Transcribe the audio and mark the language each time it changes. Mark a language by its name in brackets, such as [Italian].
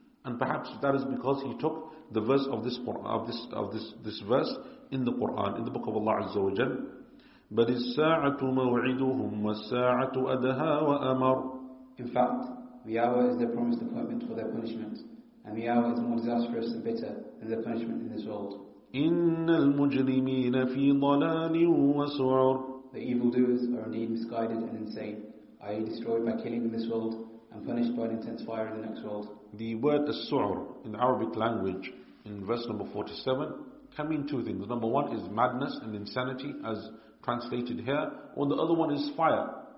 [English] And perhaps that is because he took the verse of this verse in the Quran, in the book of Allah Azza wa Jal. [Arabic] بَلِ السَّاعَةُ مَوْعِدُهُمْ وَالسَّاعَةُ أَدَهَا وَأَمَرُ. [English] In fact, the hour is their promised appointment for their punishment, and the hour is more disastrous and bitter than their punishment in this world. [Arabic] إن المجرمين في ضلال وسعر. [English] The evildoers are indeed misguided and insane. I destroyed by killing in this world and punished by an intense fire in the next world. The word as-su'r in Arabic language in verse number 47 can mean two things. Number one is madness and insanity as translated here, or the other one is fire.